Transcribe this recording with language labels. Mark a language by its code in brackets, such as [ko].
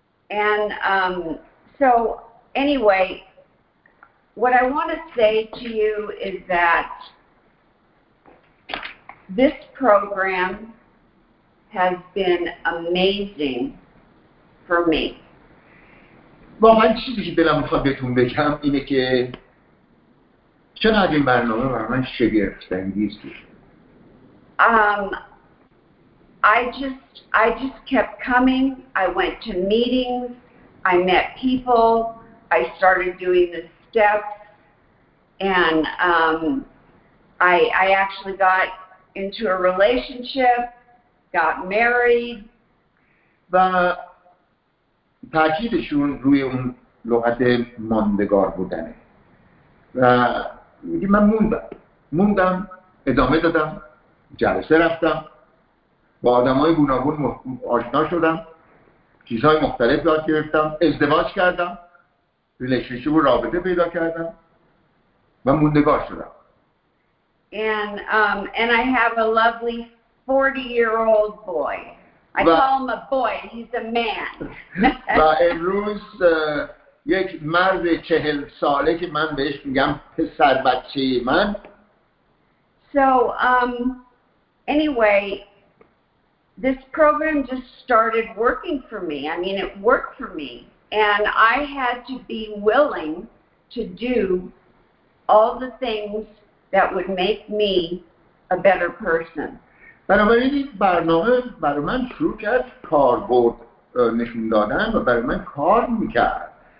[en] And so anyway, what I want to say to you is that this program has been amazing for me. [fa] واقعا چیزی که دلم میخواد بهتون بگم اینه که چقدر این برنامه برای من شگفت‌انگیز بود. [en] I just kept coming. I went to meetings. I met people. I started doing the steps, and I actually got into a relationship, got married. [fa] و تاکیدشون روی اون لغت ماندگار بودنه. و میگم من موندم، ادامه دادم، جلسه رفتم. با آدمای گوناگون آشنا شدم، چیزهای مختلف یاد گرفتم، ازدواج کردم، ریلیشنشیپ و رابطه پیدا کردم و موندگار شدم. [en] And I have a lovely 40-year-old boy. I call him a boy, he's a man. [fa] و امروز یک مرد 40 ساله که من بهش میگم پسر بچه من. [en] So anyway, this program just started working for me. I mean, it worked for me. And I had to be willing to do all the things that would make me a better person. [fa] بنابراین این برنامه برای من شروع کرد کاربرد نشون دادن و برای من کار میکرد.